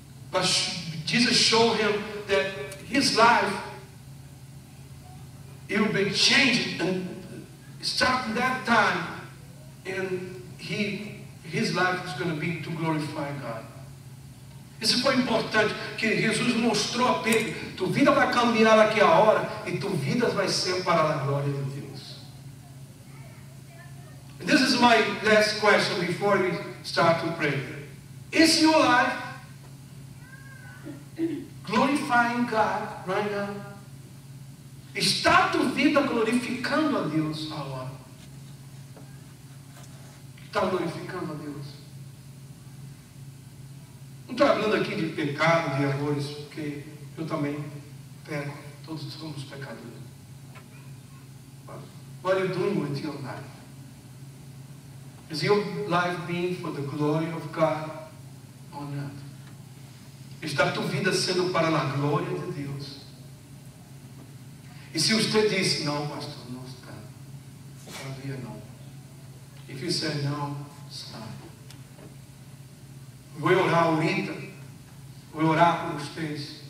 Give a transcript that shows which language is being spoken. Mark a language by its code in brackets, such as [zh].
[en] But Jesus showed him that his life, it will be changed, and starting that time, and his life is going to be to glorify God. [pt] Isso foi importante, que Jesus mostrou a Pedro, tua vida vai cambiar aqui a hora, e tua vida vai ser para a glória de Deus. [en] And this is my last question before we start to pray. Is your life glorifying God right now? [pt] Está a tua vida glorificando a Deus agora? Está glorificando a Deus? Não estou falando aqui de pecado, de erros, porque eu também peco. Todos somos pecadores. [en] What are you doing with your life? Is your life being for the glory of God or not? [pt] Está a tua vida sendo para a glória de Deus? E se você disse, não, pastor, não está. Todavia não. [en] If you said no, stop. [pt] Vou orar ahorita. Vou orar com vocês.